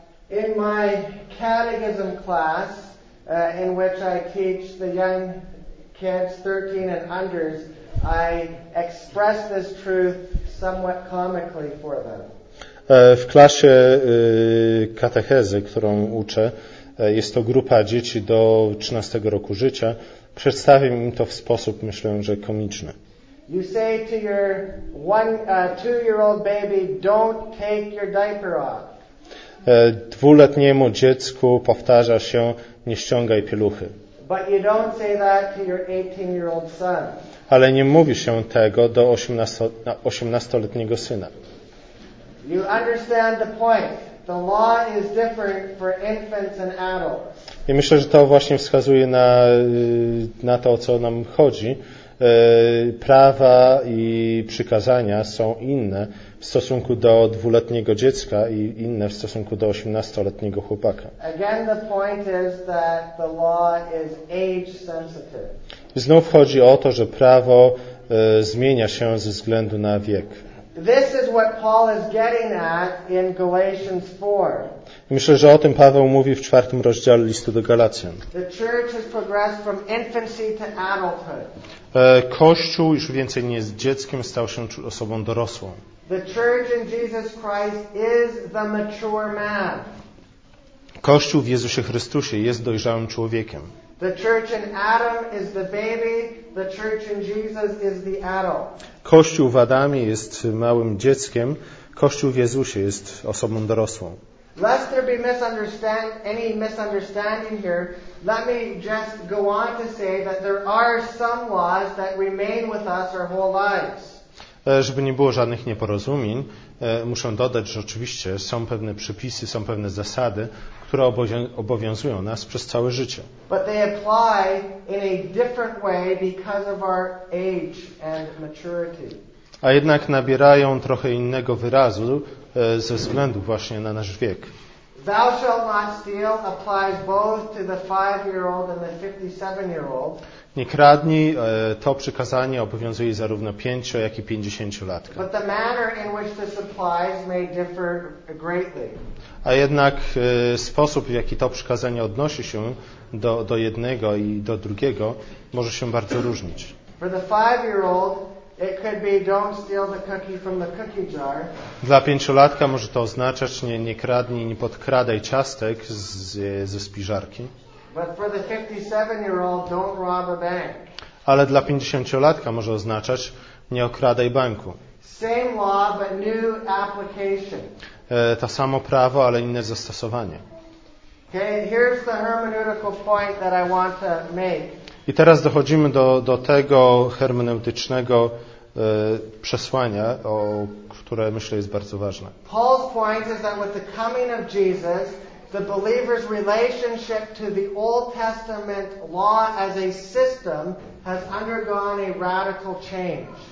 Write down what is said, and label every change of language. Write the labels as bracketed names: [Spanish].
[English] In my catechism class, in which I teach the young kids 13 and unders, I express this truth somewhat comically for them. [Polish] W klasie katechezy, którą uczę, jest to grupa dzieci do 13 roku życia. Przedstawię im to w sposób, myślę, że komiczny. [English] You say to your two-year-old baby, don't take your diaper off. [Polish] Dwuletniemu dziecku powtarza się, nie ściągaj pieluchy. [English] But you don't say that to your 18-year-old son. [Polish] Ale nie mówi się tego do 18-letniego syna. [English] You understand the point. The law is different for infants and adults. [Polish] I myślę, że to właśnie wskazuje na to, o co nam chodzi. Prawa i przykazania są inne w stosunku do 2-letniego dziecka i inne w stosunku do 18-letniego chłopaka. [English] Again, the point is that the law is age sensitive. [Polish] Znów chodzi o to, że prawo zmienia się ze względu na wiek. [English] This is what Paul is getting at in Galatians 4. [Polish] Myślę, że o tym Paweł mówi w 4 rozdziale listu do Galacjan. [English] The church has progressed from infancy to adulthood. [Polish] Kościół już więcej nie jest dzieckiem, stał się osobą dorosłą. [English] The church in Jesus Christ is the mature man. [Polish] Kościół w Jezusie Chrystusie jest dojrzałym człowiekiem. [English] The church in Adam is the baby, the church in Jesus is the adult. [Polish] Kościół w Adamie jest małym dzieckiem, Kościół w Jezusie jest osobą dorosłą. [English] Lest there be any misunderstanding here, let me just go on to say that there are some laws that remain with us our whole lives. [Polish] Żeby nie było żadnych nieporozumień, muszę dodać, że oczywiście są pewne przepisy, są pewne zasady, które obowiązują nas przez całe życie. [English] But they apply in a different way because of our age and maturity. [Polish] A jednak nabierają trochę innego wyrazu ze względu właśnie na nasz wiek. [English] Thou shalt not steal applies both to the 5-year-old and the 57-year-old. [Polish] Nie kradnij, to przykazanie obowiązuje zarówno 5, jak i 50-latka. [English] But the manner in which this applies may differ greatly. [Polish] A jednak sposób, w jaki to przykazanie odnosi się do jednego i do drugiego, może się bardzo różnić. [English] For the 5-year-old, it could be don't steal the cookie from the cookie jar. [Polish] Dla 5-latka może to oznaczać nie kradnij, nie podkradaj ciastek ze spiżarki. [English] But for the 57-year-old, don't rob a bank. [Polish] Ale dla 50-latka może oznaczać nie okradaj banku. [English] Same law, but new application. [Polish] To samo prawo, ale inne zastosowanie. [English] Okay, here's the hermeneutical point that I want to make. [Polish] I teraz dochodzimy do tego hermeneutycznego przesłania, które myślę jest bardzo ważne. [English] Paul's point is that with the coming of Jesus, the believer's relationship to the Old Testament law as a system has undergone a radical change.